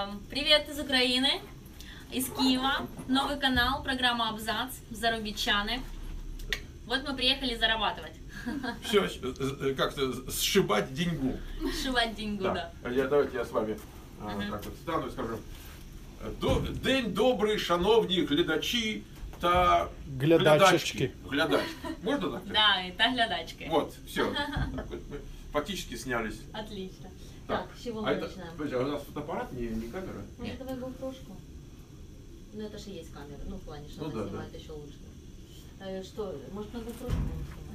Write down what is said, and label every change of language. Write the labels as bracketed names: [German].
[Russian] Привет из Украины, из Киева. Новый канал, программа «Абзац», «Зарубичаны». Вот мы приехали зарабатывать. Все, как-то сшибать деньгу. Сшибать деньгу, да. Да. Давайте я с вами так вот встану и скажу. День добрый, [Ukrainian] шановні глядачі та глядачечки. [Russian] Глядачки. Можно так? Да, и та глядачка. Вот, все. Так вот, мы фактически снялись. Отлично. Так, с чего мы начинаем? Подожди, а у нас фотоаппарат, не камера? Может, давай GoPro-шку? Ну, это же есть камера. Ну, в плане, что она снимает еще лучше. Что, может, на GoPro-шку?